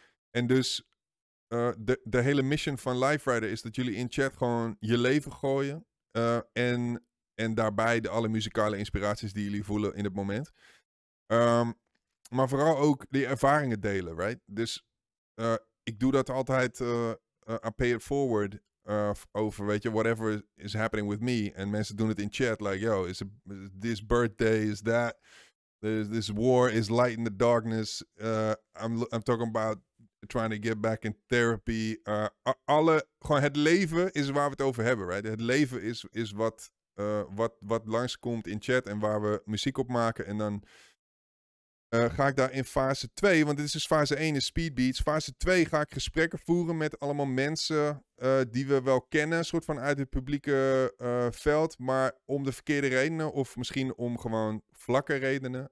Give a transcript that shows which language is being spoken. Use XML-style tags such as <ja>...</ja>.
<nl>En dus de hele mission van LiveWriter is dat jullie in chat gewoon je leven gooien. En daarbij alle muzikale inspiraties die jullie voelen in het moment. Maar vooral ook die ervaringen delen, right? Dus ik doe dat altijd,</nl> <en>I pay it forward.</en> <nl>Over, weet je,</nl> <en>whatever is happening with me. En mensen doen het in chat, like, yo, is this birthday, is that, this war, is light in the darkness, I'm talking about trying to get back in therapy.</en> <nl>Gewoon het leven is waar we het over hebben, right? Het leven is wat langskomt in chat en waar we muziek op maken. En dan ga ik daar in fase 2, want dit is dus fase 1 is speedbeats. Fase 2 ga ik gesprekken voeren met allemaal mensen die we wel kennen, soort van uit het publieke veld, maar om de verkeerde redenen of misschien om gewoon vlakke redenen.</nl>